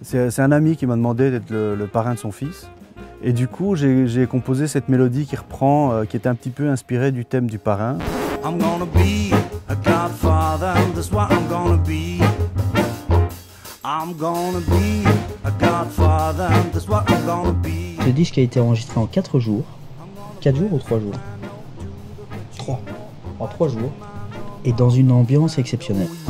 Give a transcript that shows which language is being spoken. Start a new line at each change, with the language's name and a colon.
French: C'est un ami qui m'a demandé d'être le parrain de son fils. Et du coup, j'ai composé cette mélodie qui reprend, qui est un petit peu inspirée du thème du parrain.
English: I'm gonna be a godfather, that's what I'm gonna be. I'm gonna be a godfather, that's what I'm gonna be.
French: Ce disque a été enregistré en 4 jours. 4 jours ou 3 jours? 3. En 3 jours. Et dans une ambiance exceptionnelle.